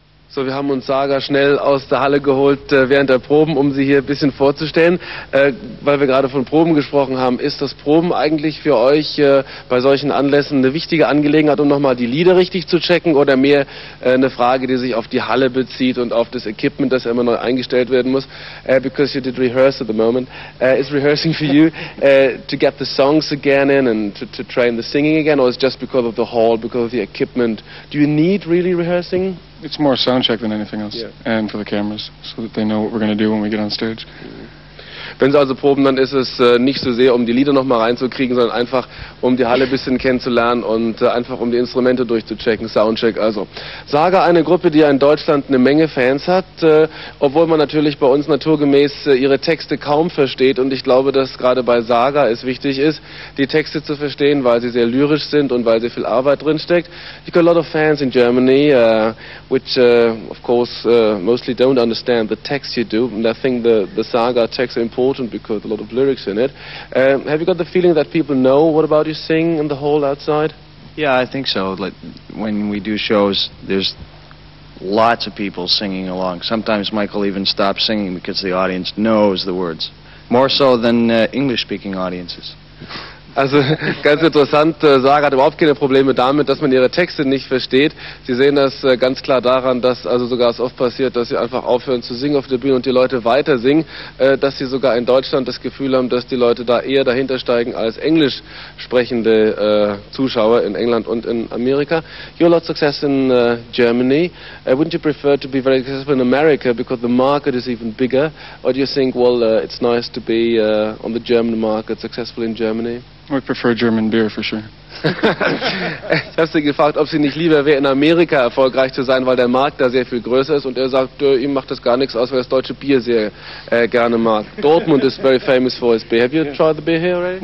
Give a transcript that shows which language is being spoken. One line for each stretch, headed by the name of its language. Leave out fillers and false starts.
German: So, wir haben uns Saga schnell aus der Halle geholt während der Proben, um sie hier ein bisschen vorzustellen. Weil wir gerade von Proben gesprochen haben, ist das Proben eigentlich für euch bei solchen Anlässen eine wichtige Angelegenheit, um nochmal die Lieder richtig zu checken, oder mehr eine Frage, die sich auf die Halle bezieht und auf das Equipment, das immer neu eingestellt werden muss?
English: Because you did rehearse at the moment. Is rehearsing for you to get the songs again in and to train the singing again, or is it just because of the hall, because of the equipment? Do you need really rehearsing? It's more sound check than anything else, yeah. And for the cameras, so that they know what we're going to do when we get on stage.
German: Wenn sie also proben, dann ist es nicht so sehr, um die Lieder nochmal reinzukriegen, sondern einfach, um die Halle ein bisschen kennenzulernen und einfach, um die Instrumente durchzuchecken, Soundcheck also. Saga, eine Gruppe, die ja in Deutschland eine Menge Fans hat, obwohl man natürlich bei uns naturgemäß ihre Texte kaum versteht, und ich glaube, dass gerade bei Saga es wichtig ist, die Texte zu verstehen, weil sie sehr lyrisch sind und weil sie viel Arbeit drinsteckt.
English: You got a lot of fans in Germany, which of course mostly don't understand the text you do, and I think the Saga text are important. Because a lot of lyrics in it. Have you got the feeling that people know what about you sing in the hall outside? Yeah, I think so. Like, when we do shows, there's lots of people singing along. Sometimes Michael even stops singing because the audience knows the words, more so than English-speaking audiences.
German: Also ganz interessant, Saga hat überhaupt keine Probleme damit, dass man ihre Texte nicht versteht. Sie sehen das ganz klar daran, dass also sogar es oft passiert, dass sie einfach aufhören zu singen auf der Bühne und die Leute weiter singen, dass sie sogar in Deutschland das Gefühl haben, dass die Leute da eher dahinter steigen als englisch sprechende Zuschauer in England und in Amerika.
English: You have a lot of success in Germany. Wouldn't you prefer to be very successful in America, because the market is even bigger? Or do you think, well, it's nice to be on the German market, successful in Germany? We prefer German beer for sure.
German: Ich habe sie gefragt, ob sie nicht lieber wäre, in Amerika erfolgreich zu sein, weil der Markt da sehr viel größer ist. Und er sagt, ihm macht das gar nichts aus, weil er das deutsche Bier sehr gerne mag.
English: Dortmund is very famous for its beer. Have you tried the beer here already?